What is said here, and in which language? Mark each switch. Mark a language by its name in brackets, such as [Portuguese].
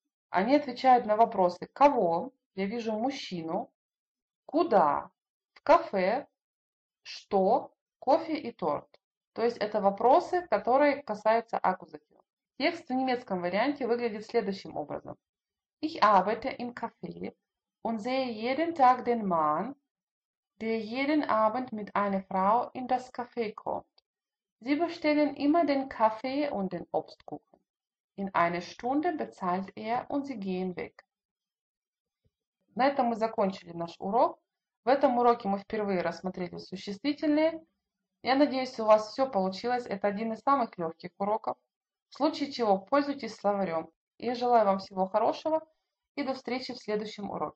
[Russian] Они отвечают на вопросы: кого? Я вижу мужчину. Куда? В кафе. Что? Кофе и торт. То есть это вопросы, которые касаются аккузатива. Текст в немецком варианте выглядит следующим образом. [German] Ich arbeite im Café und sehe jeden Tag den Mann, der jeden Abend mit einer Frau in das Café kommt. Sie bestellen immer den Kaffee und den Obstkuchen. In einer Stunde bezahlt er und sie gehen weg. [Russian] На этом мы закончили наш урок. В этом уроке мы впервые рассмотрели существительные. Я надеюсь, у вас все получилось. Это один из самых легких уроков. В случае чего пользуйтесь словарем. Я желаю вам всего хорошего и до встречи в следующем уроке.